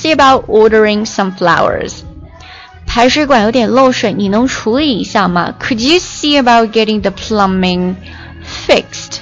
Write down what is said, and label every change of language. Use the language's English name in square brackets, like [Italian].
[English] I'll see about ordering some flowers. [Chinese] 排水管有点漏水，你能处理一下吗？ [English] Could you see about getting the plumbing fixed?